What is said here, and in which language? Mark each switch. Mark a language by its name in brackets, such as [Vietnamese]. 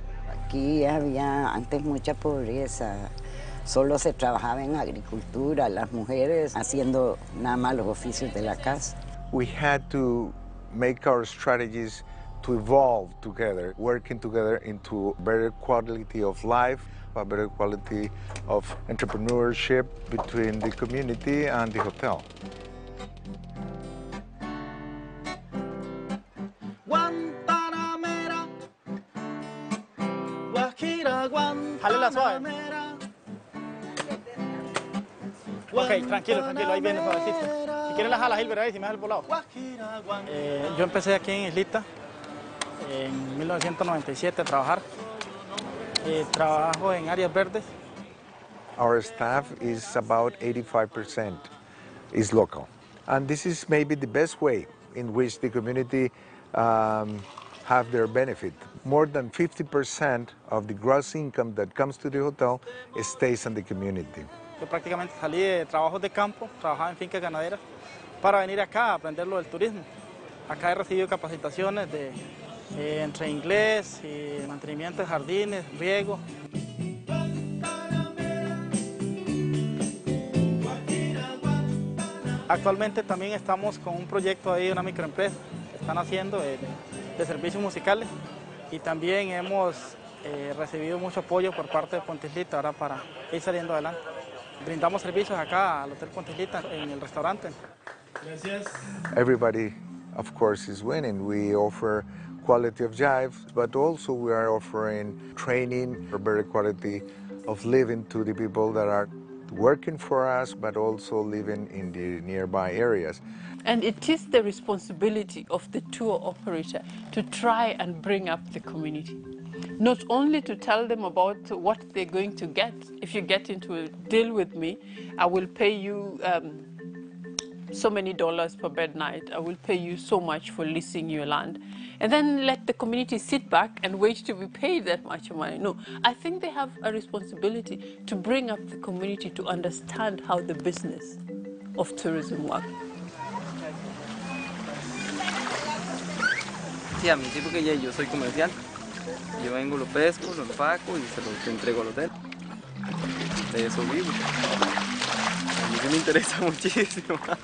[Spanish] Aquí había antes mucha pobreza, solo se trabajaba en agricultura, las mujeres haciendo nada más los oficios de la casa. [English] We had to make our strategies to evolve together, working together into better quality of life, a better quality of entrepreneurship between the community and the hotel. [Spanish] Okay, tranquilo, tranquilo, ahí viene, pobrecito. Si quieres la jala, Gilbert, ahí, si me das el volado. Yo empecé aquí en Islita, en 1997, a trabajar. Trabajo en áreas verdes. [English] Our staff is about 85% is local. And this is maybe the best way in which the community have their benefit. More than 50% of the gross income that comes to the hotel stays in the community. [Spanish] Yo prácticamente salí de trabajos de campo, trabajaba en fincas ganaderas, para venir acá a aprender lo del turismo. Acá he recibido capacitaciones de entre inglés y mantenimiento de jardines, riego. Actualmente también estamos con un proyecto ahí, una microempresa, que están haciendo de servicios musicales y también hemos recibido mucho apoyo por parte de Puente Islita ahora para ir saliendo adelante. Brindamos servicios acá al Hotel Puente Islita en el restaurante. Gracias. [English] Everybody, of course, is winning. We offer quality of life, but also we are offering training for better quality of living to the people that are working for us, but also living in the nearby areas. And it is the responsibility of the tour operator to try and bring up the community. Not only to tell them about what they're going to get, if you get into a deal with me, I will pay you so many dollars per bed night, I will pay you so much for leasing your land, and then let the community sit back and wait to be paid that much money. No, I think they have a responsibility to bring up the community to understand how the business of tourism works. [Spanish] Sí, a mí sí, porque ya yo soy comercial. Yo vengo, lo pesco, lo empaco y se lo entrego al hotel. De eso vivo. A mí sí me interesa muchísimo.